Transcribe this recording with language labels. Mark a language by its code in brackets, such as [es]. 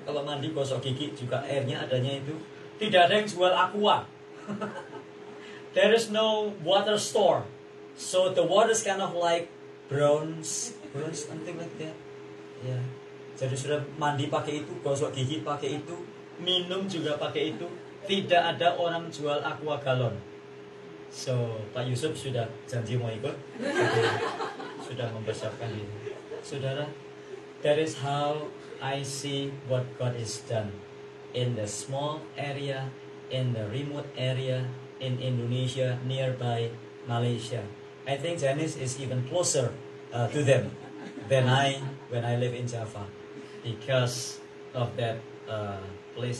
[id] Kalau mandi gosok gigi juga airnya adanya itu. Tidak ada yang jual aqua. [en] There is no water store. So the water is kind of like brown, something like that. [id] Yeah. Jadi sudah mandi pakai itu, gosok gigi pakai itu, minum juga pakai itu. Tidak ada orang jual aqua galon. So Pak Yusuf sudah janji mau ikut. Jadi, sudah mempersiapkan ini. [en] Saudara, that is how I see what God has done in the small area, in the remote area, in Indonesia, nearby Malaysia. I think Janice is even closer to them than I when I live in Java, because of that place.